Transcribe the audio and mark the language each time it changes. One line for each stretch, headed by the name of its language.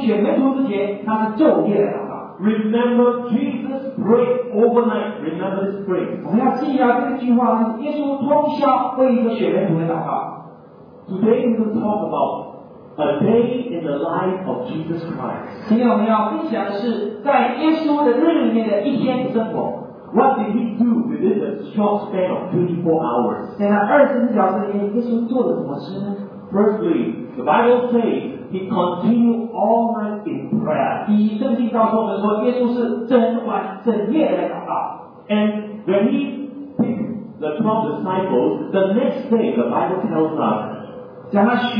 Chinese: 感谢主，很重要。我们要知道，耶稣选门徒之前，他是昼夜祷告。
English: Remember, Jesus prayed overnight. Remember this phrase.
Chinese: 我们要记一下这个句话，耶稣通宵为一个选门徒的祷告。
English: Today we're going to talk about a day in the life of Jesus Christ.
Chinese: 今天我们要分享的是在耶稣的日里面的一天生活。
English: What did he do within a short span of 24 hours?
Chinese: 在那24小时里面，耶稣做了什么事呢？
English: Firstly, the Bible says he continued all night in prayer.
Chinese: 第一圣经告诉我们说，耶稣是整晚整夜来祷告。
English: And when he picked the 12 disciples, the next day the Bible tells us,